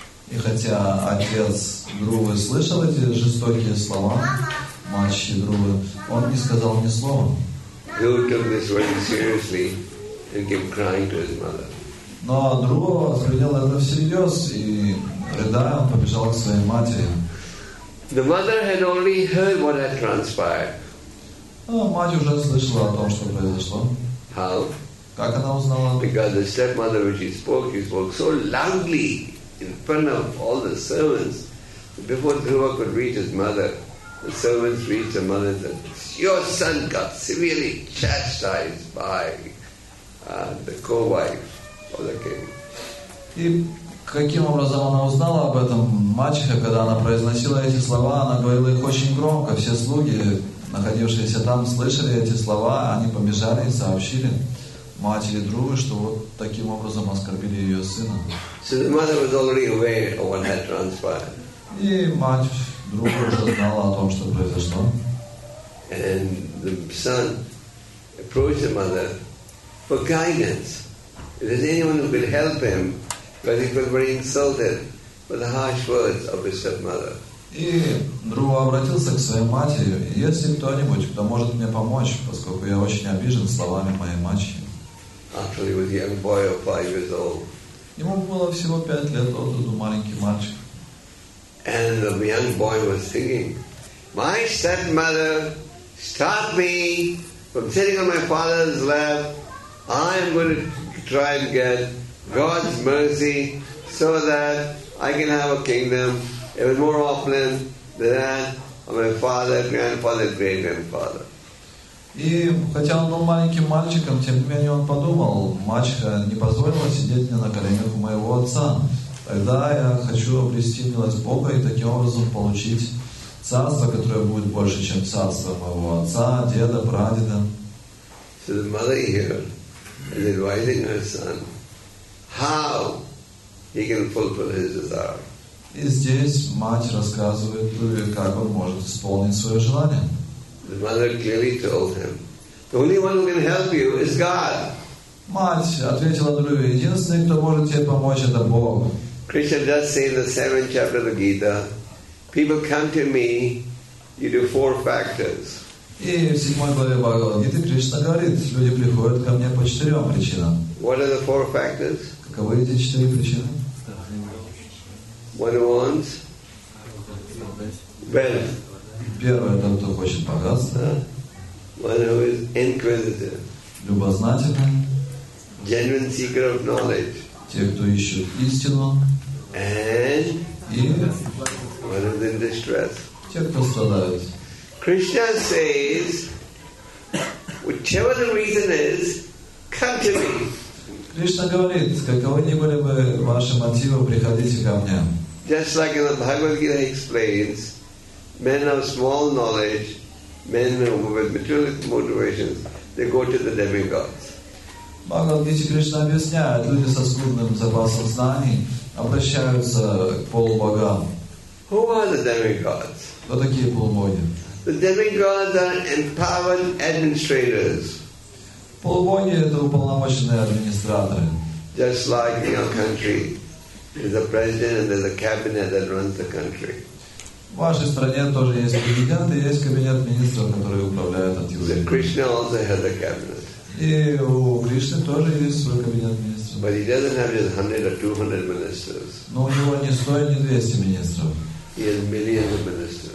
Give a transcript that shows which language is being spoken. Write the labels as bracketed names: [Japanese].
[Russian] И хотя отец Друвы слышал эти жестокие слова, мальчик Друвы, он не сказал ни слова. [English] who took this very seriously and came crying to his mother. [Russian] Но другого взглянул это всерьез и рыдая он побежал к своей матери. [English] The mother had only heard what had transpired. [Russian] Мать уже слышала о том, что произошло. [English] How? [Russian] Как она узнала? [English] Because the stepmother, when she spoke so loudly in front of all the servants, before Dhruva could reach his mother, the servants reached the mother and said, "Your son got severely chastised by the co-wife of the king." [Russian] И каким образом она узнала об этом? Мачеха, когда она произносила эти слова, она говорила их очень громко. Все слуги, находившиеся там, слышали эти слова, они побежали и сообщили матери Друвы, что вот таким образом оскорбили ее сына. [English] So the mother was already aware of what had transpired. [Russian] И мать Друвы уже знала о том, что произошло. [English] And the son approached the mother for guidance. If there's anyone who could help him, but he was very insulted by the harsh words of his stepmother. [Russian] И Друва обратился к своей матери: "Есть ли кто-нибудь, кто может мне помочь, поскольку я очень обижен словами моей матери?" [English] Actually, he was a young boy of 5 years old. [Russian] Ему было всего 5 лет, он был маленький мальчик. [English] And the young boy was thinking, "My stepmother stopped me from sitting on my father's lap. I am going to try and get God's mercy so that I can have a kingdom. It was more often than that of my father, grandfather, great grandfather." [Russian] И хотя он был маленьким мальчиком, тем не менее он подумал: мачеха не позволила сидеть мне на коленях у моего отца. Тогда я хочу обрести милость Бога и таким образом получить царство, которое будет больше, чем царство моего отца, деда, прадеда. [English] So the mother here is advising her son how he can fulfill his desire. [Russian] И здесь мать рассказывает Друве, как он может исполнить свое желание. [English] The mother clearly told him, "The only one who can help you is God." [Russian] Мать ответила Друве: единственный, кто может тебе помочь, это Бог. [English] Krishna does say in the 7th chapter of the Gita, "People come to me, you do 4 factors." [Russian] И в 7 главе Бхагавад Гиты Кришна говорит: люди приходят ко мне по 4 причинам. [English] What are the 4 factors? [Russian] Каковы эти 4 причины? [English] One wants wealth. [Russian] Первое — это кто хочет богатства. [English] One who is inquisitive. [Russian] Любознательный. [English] Genuine seeker of knowledge. [Russian] Те, кто ищут истину. [English] And [Russian] и [English] one who is in distress. [Russian] Те, кто страдает. [English] Krishna says, whichever the reason is, come to me. [Russian] Кришна говорит: каковы ни были бы ваши мотивы, приходите ко мне. [English] Just like in the Bhagavad Gita he explains, men of small knowledge, men with materialistic motivations, they go to the demigods. [Russian] Bhagavad Gita Krishna объясняет: люди со скудным запасом знаний обращаются к полубогам. [English] Who are the demigods? [Russian] Кто такие полубоги? [English] The demigods are empowered administrators. [Russian] Полубоги — это уполномоченные администраторы. [English] Just like in your country, there's a president and there's a cabinet that runs the country. [Russian] В вашей стране тоже есть президент и есть кабинет министров, которые управляют от его имени. [English] Krishna also has a cabinet. [Russian] И у Кришны тоже есть свой кабинет министров. [English] But he doesn't have just 100 or 200 ministers. [Russian] Но у него не 100, не 200 министров. [English] He has millions of ministers.